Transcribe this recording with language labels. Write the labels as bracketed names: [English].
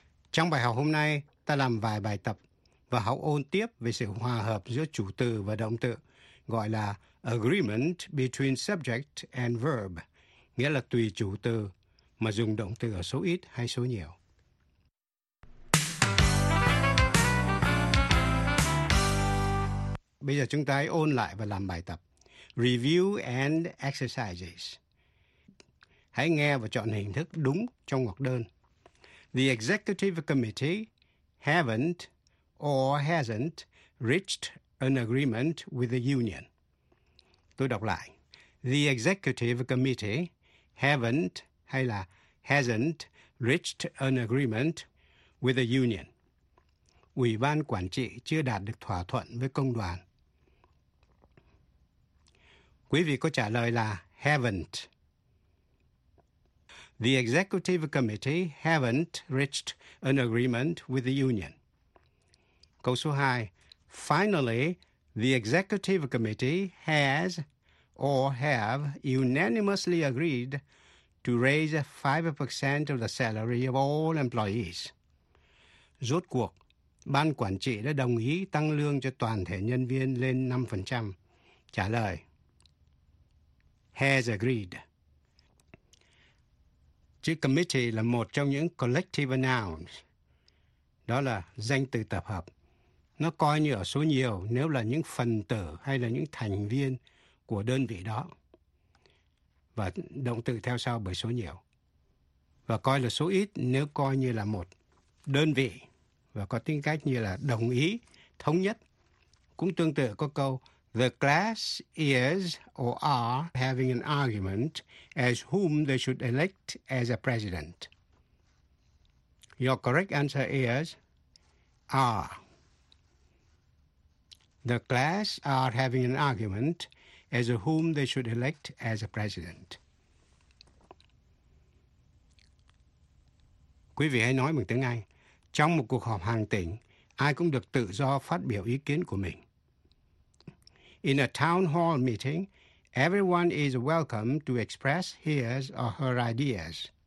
[Vietnamese] Trong bài học hôm nay, ta làm vài bài tập và học ôn tiếp về sự hòa hợp giữa chủ từ và động từ, gọi là [English] agreement between subject and verb, [Vietnamese] nghĩa là tùy chủ từ mà dùng động từ ở số ít hay số nhiều. Bây giờ chúng ta hãy ôn lại và làm bài tập. [English] Review and exercises. [Vietnamese] Hãy nghe và chọn hình thức đúng trong ngoặc đơn. [English] The executive committee haven't or hasn't reached an agreement with the union. [Vietnamese] Tôi đọc lại. [English] The executive committee haven't [Vietnamese] hay là [English] hasn't reached an agreement with the union. [Vietnamese] Ủy ban quản trị chưa đạt được thỏa thuận với công đoàn. Quý vị có trả lời là haven't. [English] The executive committee haven't reached an agreement with the union. [Vietnamese] Câu số 2. [English] Finally, the executive committee has or have unanimously agreed to raise 5% of the salary of all employees. [Vietnamese] Rốt cuộc, ban quản trị đã đồng ý tăng lương cho toàn thể nhân viên lên 5%. Trả lời. [English] Has agreed. [Vietnamese] Chữ committee là một trong những collective nouns. Đó là danh từ tập hợp. Nó coi như ở số nhiều nếu là những phần tử hay là những thành viên của đơn vị đó. Và động từ theo sau bởi số nhiều. Và coi là số ít nếu coi như là một đơn vị và có tính cách như là đồng ý, thống nhất. Cũng tương tự có câu [English] The class is or are having an argument as whom they should elect as a president. Your correct answer is are. The class are having an argument as whom they should elect as a president. [Vietnamese] Quý vị hãy nói bằng tiếng Anh. Trong một cuộc họp hàng tỉnh, ai cũng được tự do phát biểu ý kiến của mình. [English] In a town hall meeting, everyone is welcome to express his or her ideas.